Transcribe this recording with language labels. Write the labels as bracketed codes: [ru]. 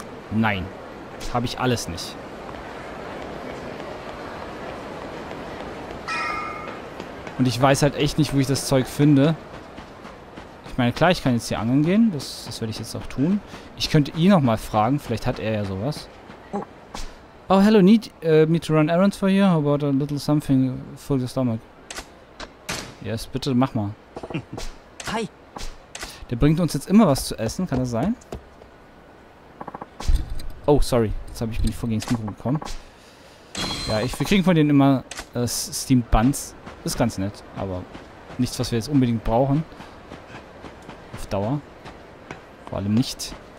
[de] Nein. Habe ich alles nicht. Und ich weiß halt echt nicht, wo ich das Zeug finde. Ich meine, klar, ich kann jetzt hier angeln gehen. Das werde ich jetzt auch tun. Ich könnte ihn noch mal fragen. Vielleicht hat er ja sowas. [en] Oh, hello. Need me to run errands for you? How about a little something for the stomach? Yes, [de] bitte, mach mal. Hi. Der bringt uns jetzt immer was zu essen. Kann das sein? Oh, sorry. Bin ich vor gegen Steam gekommen. Ja, wir kriegen von denen immer Steam Buns. Ist ganz nett, aber nichts, was wir jetzt unbedingt brauchen. Auf Dauer. Vor allem nicht.